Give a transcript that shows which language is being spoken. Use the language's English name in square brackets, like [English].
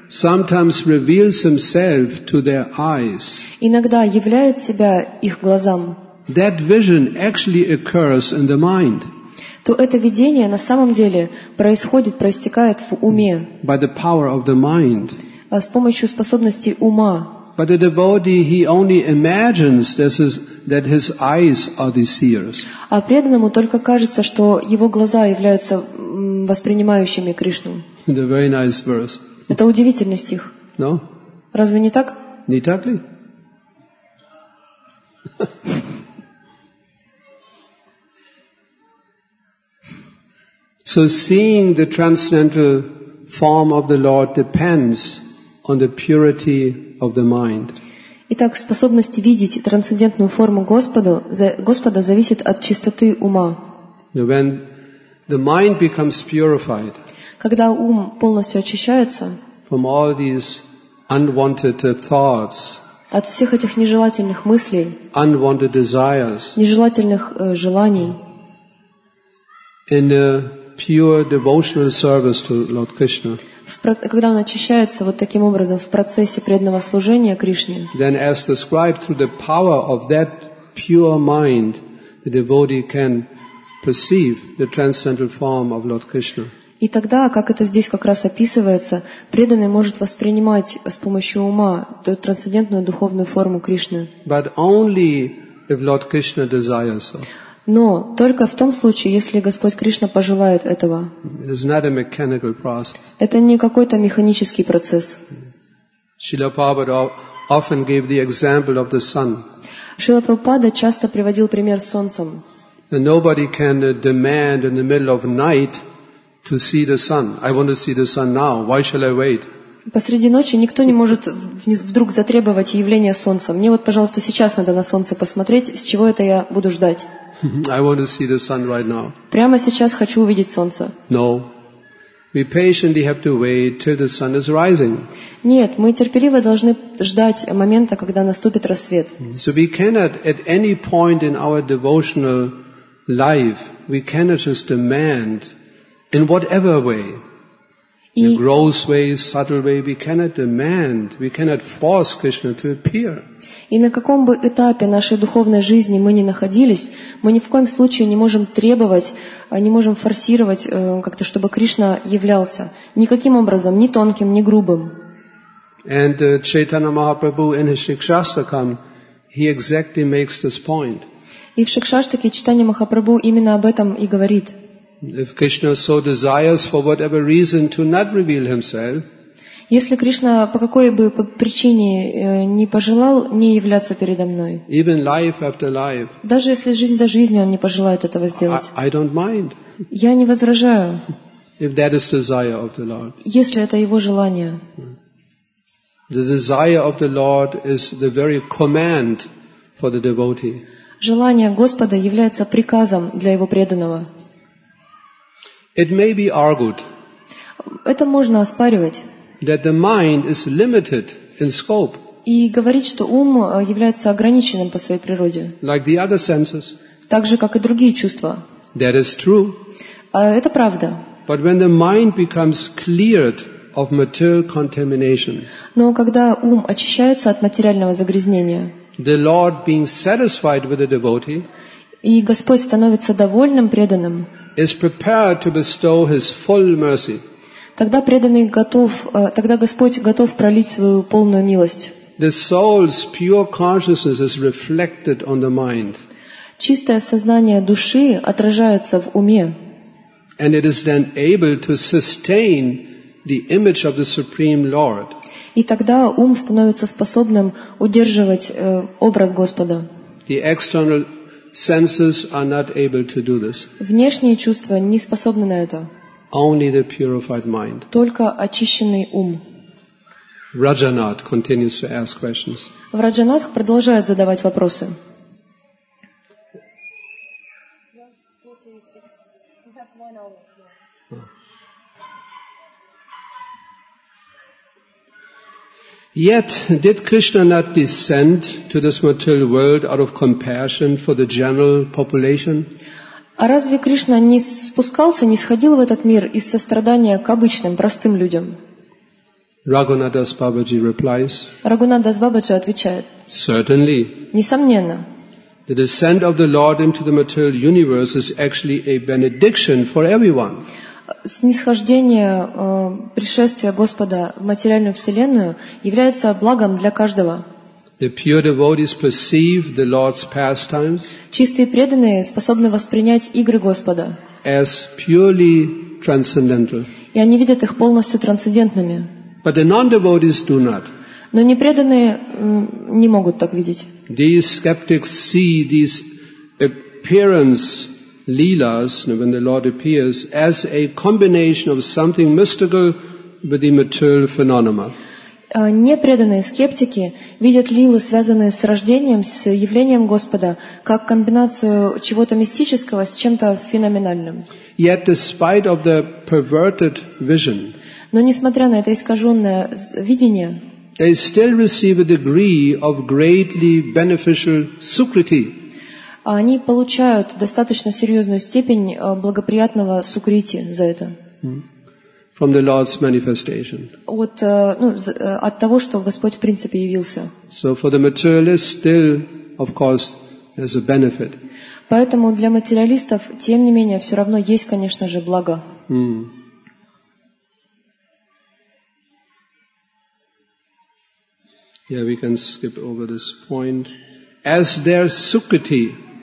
[English] sometimes reveals himself to their eyes, [Russian] иногда являет себя их глазам, [English] that vision actually occurs in the mind, [Russian] то это видение на самом деле происходит, проистекает в уме, [English] by the power of the mind, [Russian] с помощью способностей ума. [English] But the devotee, he only imagines this is, that his eyes are the seers. [Russian] А преданному только кажется, что его глаза являются воспринимающими Кришну. [English] It's a very nice verse. [Russian] Это удивительный стих. [English] No? [Russian] Разве не так? Не так ли? [English] So seeing the transcendental form of the Lord depends on the purity of the mind. [Russian] Итак, способность видеть трансцендентную форму Господа зависит от чистоты ума. [English] When the mind becomes purified, [Russian] когда ум полностью очищается, [English] from all these unwanted thoughts, [Russian] от всех этих нежелательных мыслей, [English] unwanted desires, [Russian] нежелательных желаний, [English] in a pure devotional service to Lord Krishna, [Russian] когда он очищается вот таким образом в процессе преданного служения Кришне, [English] then as described through the power of that pure mind, the devotee can perceive the transcendental form of Lord Krishna. [Russian] И тогда, как это здесь как раз описывается, преданный может воспринимать с помощью ума трансцендентную духовную форму Кришны. [English] But only if Lord Krishna desires so. [Russian] Но только в том случае, если Господь Кришна пожелает этого. [English] It is not a mechanical process. [Russian] Это не какой-то механический процесс. [English] Шрила Прабхупада often gave the example of the sun. [Russian] Шрила Прабхупада часто приводил пример с солнцем. [English] And nobody can demand in the middle of night to see the sun. I want to see the sun now. Why shall I wait? [Russian] Посреди ночи никто не может вдруг затребовать явление солнца. Мне вот, пожалуйста, сейчас надо на солнце посмотреть. С чего это я буду ждать? [English] I want to see the sun right now. [Russian] Прямо сейчас хочу увидеть солнце. [English] No. We patiently have to wait till the sun is rising. [Russian] Нет, мы терпеливо должны ждать момента, когда наступит рассвет. [English] So we cannot at any point in our devotional life, we cannot just demand in whatever way, in a gross way, subtle way, we cannot demand, we cannot force Krishna to appear. [Russian] И на каком бы этапе нашей духовной жизни мы ни находились, мы ни в коем случае не можем требовать, не можем форсировать как-то, чтобы Кришна являлся. Никаким образом, ни тонким, ни грубым. [English] And Chaitanya Mahaprabhu in his Shikshastakam, he exactly makes this point. [Russian] И в Шикшаштаке Чайтанья Махапрабху именно об этом и говорит. [English] If Krishna so desires for whatever reason to not reveal himself, [Russian] если Кришна по какой бы причине не пожелал не являться передо мной, [English] even life after life, [Russian] даже если жизнь за жизнью он не пожелает этого сделать, [English] I don't mind. [Russian] Я не возражаю, [English] if that is desire of the Lord. [Russian] Если это его желание. [English] The desire of the Lord is the very command for the devotee. [Russian] Желание Господа является приказом для его преданного. [English] It may be argued, [Russian] это можно оспаривать, [English] that the mind is limited in scope. [Russian] И говорит, что ум является ограниченным по своей природе. [English] Like the other senses. [Russian] Так же, как и другие чувства. [English] That is true. [Russian] Это правда. [English] But when the mind becomes cleared of material contamination. [Russian] Но когда ум очищается от материального загрязнения. [English] The Lord being satisfied with the devotee. [Russian] И Господь становится довольным преданным. [English] Is prepared to bestow his full mercy. [Russian] Тогда преданный готов, тогда Господь готов пролить свою полную милость. [English] The soul's pure consciousness is reflected on the mind. [Russian] Чистое сознание души отражается в уме. [English] And it is then able to sustain the image of the Supreme Lord. [Russian] И тогда ум становится способным удерживать образ Господа. [English] The external senses are not able to do this. [Russian] Внешние чувства не способны на это. [English] Only the purified mind. [Russian] Только очищенный ум. [English] Rajanath continues to ask questions. [Russian] В Раджанатх продолжает задавать вопросы. [English] Yet did Krishna not descend to this material world out of compassion for the general population? [Russian] А разве Кришна не спускался, не сходил в этот мир из сострадания к обычным, простым людям? [English] Рагхунатдас Бабаджи replies. [Russian] Рагхунатдас Бабаджи отвечает. [English] Certainly. [Russian] Несомненно. [English] The descent of the Lord into the material universe is actually a benediction for everyone. [Russian] Снисхождение пришествия Господа в материальную вселенную является благом для каждого. [English] The pure devotees perceive the Lord's pastimes. [Russian] Чистые преданные способны воспринять игры Господа. [English] As purely transcendental. [Russian] И они видят их полностью трансцендентными. [English] But the non-devotees do not. [Russian] Но непреданные не могут так видеть. [English] These skeptics see these appearance Leelas, when the Lord appears, as a combination of something mystical with the material phenomena. [Russian] Непреданные скептики видят лилы, связанные с рождением, с явлением Господа, как комбинацию чего-то мистического с чем-то феноменальным. [English] Yet, despite of the perverted vision, [Russian] но несмотря на это искаженное видение, [English] they still receive a degree of greatly beneficial sukriti. [Russian] Они получают достаточно серьезную степень благоприятного сукрити за это. [English] From the Lord's manifestation. [Russian] От, ну, от того, что Господь в принципе явился. [English] So for the materialist, still, of course, there's a benefit. [Russian] Поэтому для материалистов, тем не менее, все равно есть, конечно же, благо. [English] Yeah, we can skip over this point. As their sukriti.